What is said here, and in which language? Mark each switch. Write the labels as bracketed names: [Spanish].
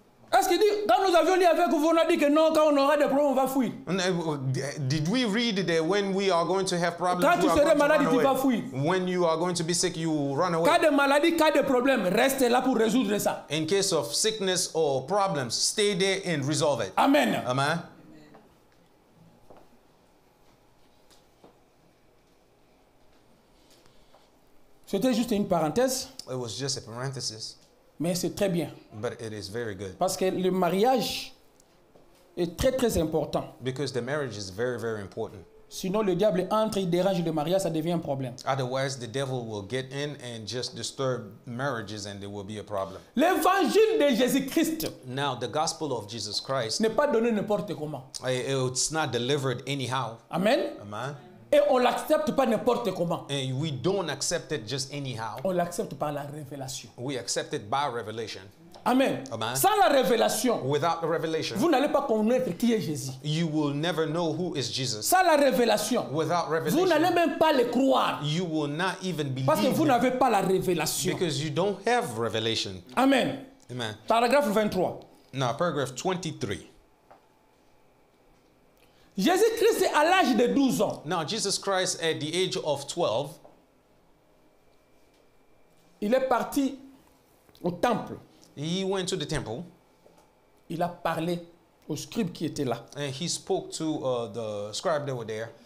[French] Est-ce qu'il dit quand nous avions dit avec vous on a dit que non quand on aura des problèmes on va fuir? [English] Did we read that when we are going to have problems? [French] Quand tu seras malade tu vas fuir. [English] When you are going to be sick you run away. [French] Cas de maladie, cas de problème, reste là pour résoudre ça. [English] In case of sickness or problems, stay there and resolve it. Amen. Amen. [French] C'était juste une parenthèse. [English] It was just a parenthesis. [French] Mais c'est très bien. [English] But it is very good. [French] Parce que le mariage est très très important. [English] Because the marriage is very very important. [French] Sinon le diable entre, il dérange le mariage, ça devient un problème. [English] Otherwise the devil will get in and just disturb marriages and there will be a problem. [French] L'évangile de Jésus-Christ. [English] Now the gospel of Jesus Christ. [French] N'est pas donné n'importe comment. [English] It's not delivered anyhow. Amen. Amen. [French] Et on l'accepte pas n'importe comment. [English] And we don't accept it just anyhow. [French] On l'accepte par la révélation. [English] We accept it by revelation. Amen. Amen. [French] Sans la révélation, [English] without the revelation, [French] vous n'allez pas connaître qui est Jésus. [English] You will never know who is Jesus. [French] Sans la révélation, [English] without revelation, [French] vous n'allez même pas le croire. [English] You will not even believe. [French] Parce que vous n'avez pas la révélation. [English] Because you don't have revelation. Amen. Amen. [French] Paragraphe 23. [English] Now, paragraph 23. [French] Jésus-Christ à l'âge de 12 ans. [English] Now Jesus Christ at the age of 12. [French] Il est parti au temple. [English] He went to the temple. [French] Il a parlé aux scribes qui étaient là. [English] And he spoke to the scribes that were there.